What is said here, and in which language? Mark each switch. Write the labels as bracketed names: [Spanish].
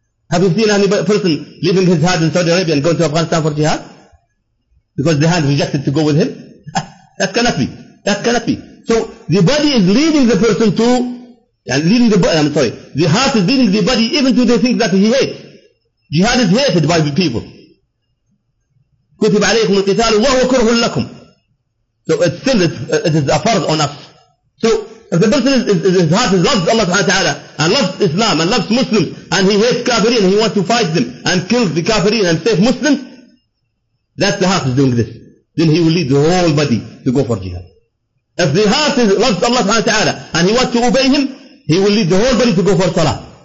[English] Have you seen any person leaving his heart in Saudi Arabia and going to Afghanistan for jihad? Because the hand rejected to go with him? That cannot be. That cannot be. So the body is leading the person to, and leading the body, I'm sorry, the heart is leading the body even to the things that he hates. Jihad is hated by the people. [Arabic] كتب عليكم القتال وهو كره لكم. [English] So it's still, it is a farz on us. So if the person is his heart is loves Allah subhanahu wa ta'ala and loves Islam and loves Muslims and he hates kafirin and he wants to fight them and kill the kafirin and save Muslims, that the heart is doing this. Then he will lead the whole body to go for jihad. If the heart is loves Allah subhanahu wa ta'ala and he wants to obey him, he will lead the whole body to go for salah.